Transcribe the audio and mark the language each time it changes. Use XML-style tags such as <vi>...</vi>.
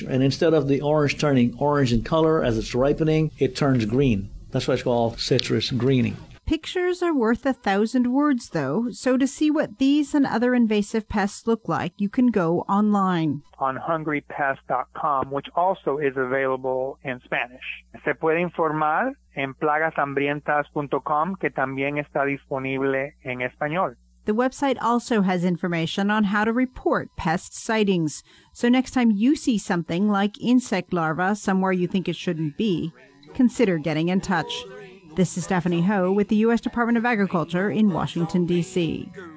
<en>And instead of the orange turning orange in color as it's ripening, it turns green. That's why it's called citrus greening. Pictures are worth a thousand words, though. So to see what these and other invasive pests look like, you can go online. On hungrypest.com, which also is available in Spanish.</en> <es>Se puede informar en plagashambrientas.com, que también está disponible en español.</es> <en>The website also has information on how to report pest sightings. So next time you see something like insect larva somewhere you think it shouldn't be, consider getting in touch. This is Stephanie Ho with the U.S. Department of Agriculture in Washington, D.C.</en>